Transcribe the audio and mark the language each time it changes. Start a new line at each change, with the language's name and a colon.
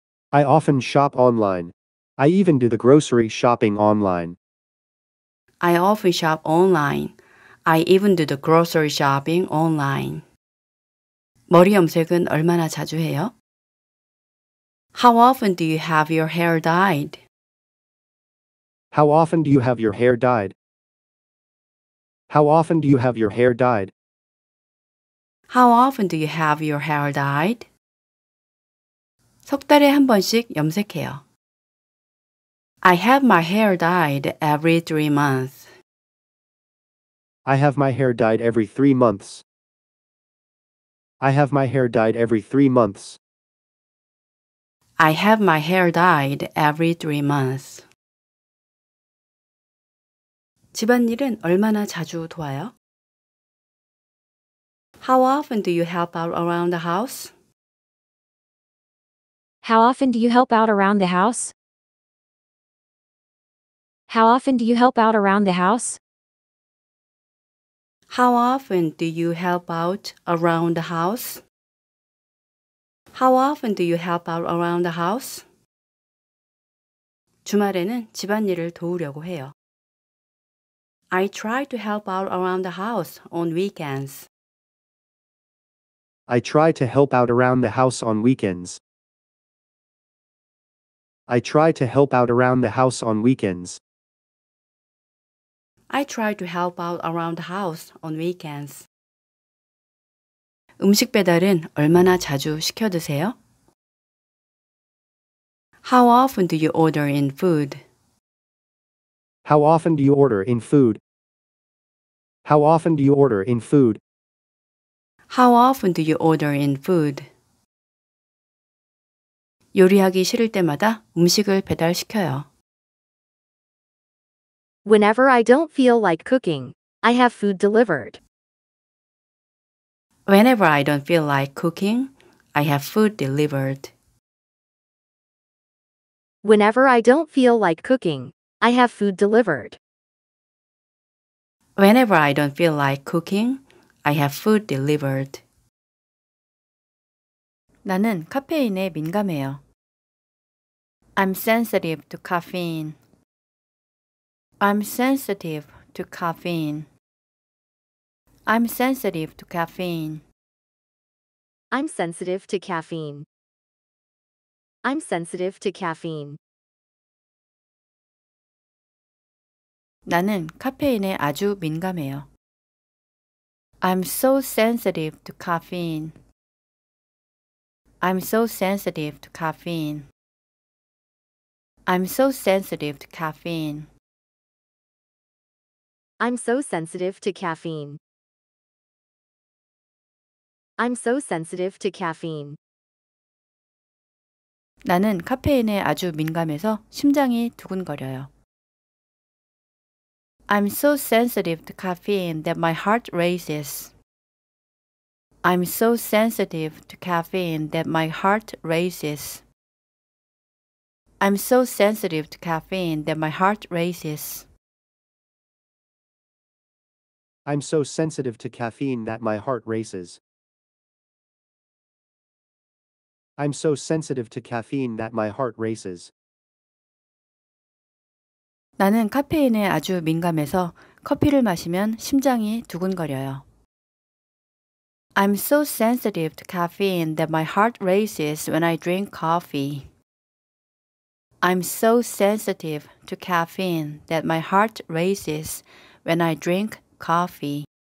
English: I often shop online. I even do the grocery shopping online. I often shop online. I even do the grocery shopping online.
Korean: 머리 염색은 얼마나 자주 해요?
English: How often do you have your hair dyed? How often do you have your hair dyed? How often do you have your hair dyed? How often do you have your hair dyed?
Korean: 석 달에 한 번씩 염색해요.
English: I have my hair dyed every 3 months. I have my hair dyed every 3 months. I have my hair dyed every 3 months. I have my hair dyed every 3 months.
Korean: 집안일은 얼마나 자주 도와요?
English: How often do you help out around the house? How often do you help out around the house? How often do you help out around the house? How often do you help out around the house? How often do you help out around the house?
Korean: 주말에는 집안일을 도우려고 해요.
English: I try to help out around the house on weekends. I try to help out around the house on weekends. I try to help out around the house on weekends. I try to help out around the house on weekends.
Korean: 음식 배달은 얼마나 자주 시켜 드세요?
English: How often do you order in food? How often do you order in food? How often do you order in food? How often do you order in food?
Korean: 요리하기 싫을 때마다 음식을 배달시켜요.
English: Whenever I don't feel like cooking, I have food delivered. Whenever I don't feel like cooking, I have food delivered. Whenever I don't feel like cooking, I have food delivered. Whenever I don't feel like cooking, I have food delivered.
Korean: 나는 카페인에 민감해요.
English: I'm sensitive to caffeine. I'm sensitive to caffeine. I'm sensitive to caffeine. I'm sensitive to caffeine. I'm sensitive to caffeine.
Korean: 나는 카페인에 아주 민감해요.
English: I'm so sensitive to caffeine. I'm so sensitive to caffeine. I'm so sensitive to caffeine. I'm so sensitive to caffeine. I'm so sensitive to caffeine.
Korean: 나는 카페인에 아주 민감해서 심장이 두근거려요.
English: I'm so sensitive to caffeine that my heart races. I'm so sensitive to caffeine that my heart races. I'm so sensitive to caffeine that my heart races. I'm so sensitive to caffeine that my heart races. I'm so sensitive to caffeine that my heart races.
Korean: 나는 카페인에 아주 민감해서 커피를 마시면 심장이 두근거려요.
English: I'm so sensitive to caffeine that my heart races when I drink coffee. I'm so sensitive to caffeine that my heart races when I drink coffee.